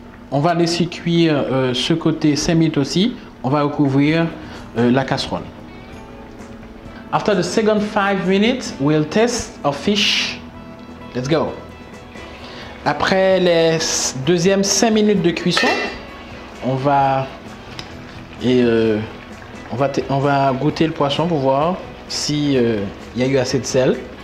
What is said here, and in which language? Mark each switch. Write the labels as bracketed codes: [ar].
[fr] On va laisser cuire ce côté 5 minutes aussi. On va recouvrir la casserole. [en] After the second 5 minutes, we'll test our fish. Let's go. [fr] Après les deuxièmes 5 minutes de cuisson, on va goûter le poisson pour voir si il y a eu assez de sel.